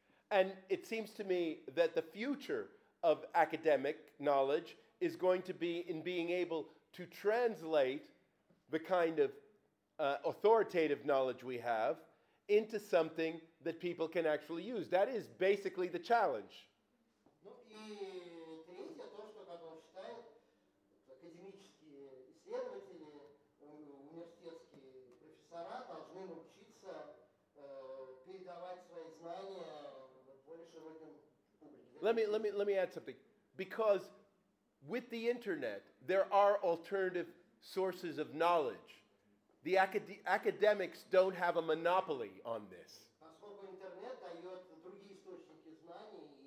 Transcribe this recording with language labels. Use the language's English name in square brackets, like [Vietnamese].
[English] And it seems to me that the future of academic knowledge is going to be in being able to translate the kind of authoritative knowledge we have into something that people can actually use. That is basically the challenge. [Russian] И третье, то, что, как он считает, академические исследователи, университетские профессора должны научиться передавать свои знания более широким публике. [English] Let me add something. Because with the internet, there are alternative sources of knowledge. The academics don't have a monopoly on this. [Russian] Поскольку интернет дает другие источники знаний,